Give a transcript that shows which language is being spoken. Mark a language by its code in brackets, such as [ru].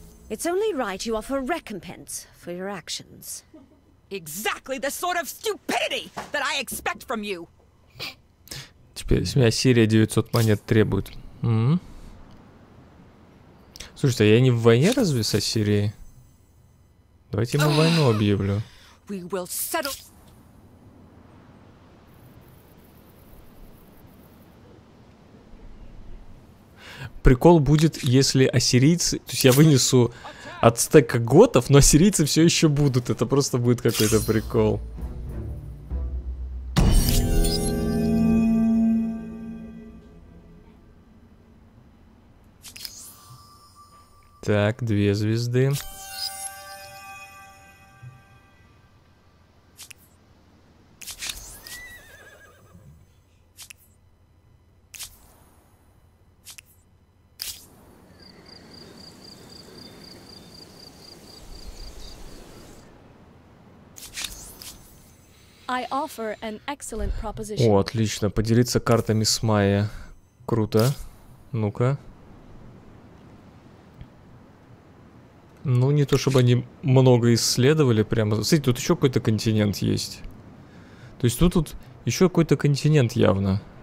[en] It's only right you offer recompense for your actions. Exactly the sort of stupidity that I expect from you. [ru] Теперь с меня Сирия 900 монет требует. Слушайте, а я не в войне разве с Ассирией? Давайте ему войну объявлю. [en] We will settle. [ru] Прикол будет, если ассирийцы... То есть я вынесу ацтека готов, но ассирийцы все еще будут. Это просто будет какой-то прикол. Так, две звезды. [en] I offer an excellent proposition. [ru] О, отлично, поделиться картами с Майя. Круто. Ну-ка. Ну, не то чтобы они много исследовали прямо. Смотрите, тут еще какой-то континент есть. То есть тут еще какой-то континент явно.